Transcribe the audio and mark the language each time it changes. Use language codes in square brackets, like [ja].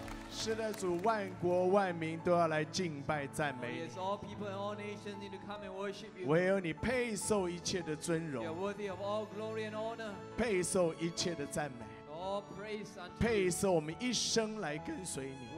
[zh] 是的主万国万民都要来敬拜赞美你 [en] Lord, yes, all people and all nations need to come and worship you. [zh] 唯有你配受一切的尊荣 [en] You are worthy of all glory and honor. [zh] 配受一切的赞美 [en] all praise unto you. [zh] 配受我们一生来跟随你